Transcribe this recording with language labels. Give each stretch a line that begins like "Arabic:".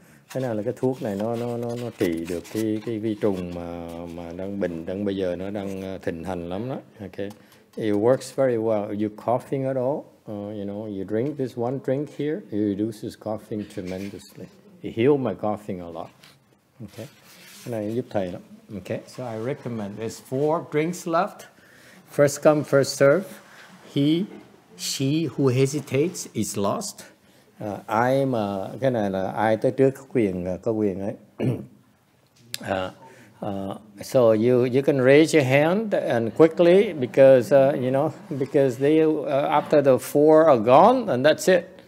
Vietnamese: Cái này là cái thuốc này nó trị được cái vi trùng mà đang bây giờ nó đang thịnh hành lắm đó.
English: Okay, it works very well. You coughing at all? You know, you drink this one drink here, it reduces coughing tremendously. It healed my coughing a lot.
Vietnamese: Okay, cái này giúp thầy lắm.
English: Okay, so I recommend. There's four drinks left. First come, first serve. He, she who hesitates is lost.
Vietnamese: I'm cái này là ai tới trước có quyền ấy.
English: So you can raise your hand and quickly because they after the four are gone and that's it.